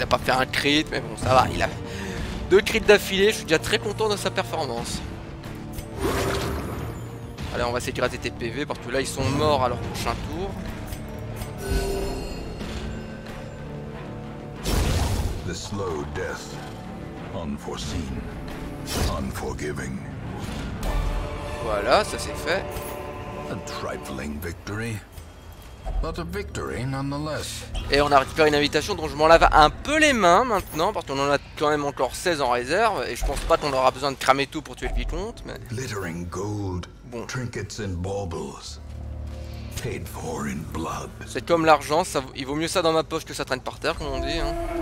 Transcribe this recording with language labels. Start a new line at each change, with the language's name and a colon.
French: Un crit, mais bon, ça va. Il a 2 crits d'affilée. Je suis déjà très content de sa performance. Allez, on va essayer de gratter tes PV parce que là, ils sont morts à leur prochain tour.
English: The slow death, unforeseen, unforgiving.
French: Voilà, ça c'est fait.
English: A trifling victory. But a victory nonetheless.
French: Et on a récupéré une invitation dont je m'en lave un peu les mains maintenant parce qu'on en a quand même encore 16 en réserve et je pense pas qu'on aura besoin de cramer tout pour tuer le vicomte mais...
English: Glittering gold, bon. Trinkets and baubles, paid for in blood.
French: C'est comme l'argent, ça, il vaut mieux ça dans ma poche que ça traîne par terre comme on dit hein.